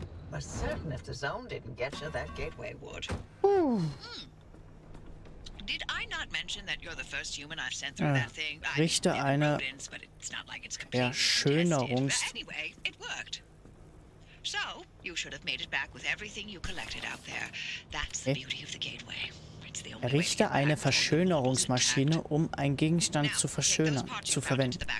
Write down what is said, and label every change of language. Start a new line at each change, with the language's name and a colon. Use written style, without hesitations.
English: But certain if the zone didn't get you, that gateway would. Ooh. Did I not? not mention that you're the first human I've sent through that thing.
German: Richte eine Erschönerungs...
English: Anyway, it worked. So, you should have made it back with everything you collected out there. That's the beauty of the gateway.
German: Errichte eine Verschönerungsmaschine, um einen Gegenstand zu verschönern, zu verwenden.